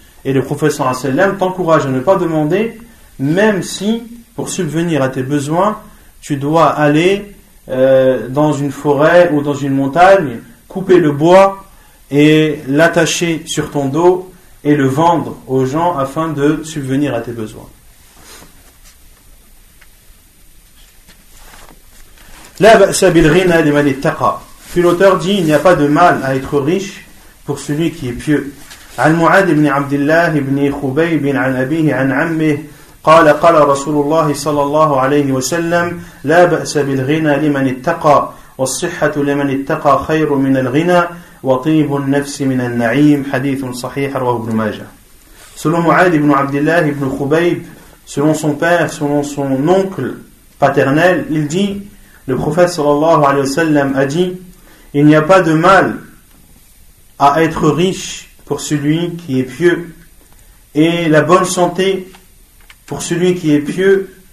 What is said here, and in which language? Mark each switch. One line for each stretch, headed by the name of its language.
French: Et le prophète
Arabic: sallallahu alayhi wa sallam
French: t'encourage à ne pas demander, même si pour subvenir à tes besoins, tu dois aller dans une forêt ou dans une montagne, couper le bois et l'attacher sur ton dos et le vendre aux gens afin de subvenir à tes besoins.
Arabic: La ba'sa bil ghina liman ittaqa.
French: Puis l'auteur dit, il n'y a pas de mal à être riche pour celui qui est pieux.
Arabic: Al-Mu'ad ibn Abdillah ibn Khubayb ibn al-Abihi an-Ammih قال قال رسول الله صلى الله عليه وسلم لا بأس بالغنى لمن اتقى والصحة لمن اتقى خير من الغنى وطيب النفس من النعيم. حديث صحيح رواه ابن ماجه.
French: Selon Mu'ad ibn Abdillah ibn Khubayb, selon son père, selon son oncle paternel, il dit, le prophète
Arabic: صلى الله عليه وسلم
French: a dit, il n'y a pas de mal à être riche pour celui qui est pieux, et la bonne santé pour celui qui est pieux,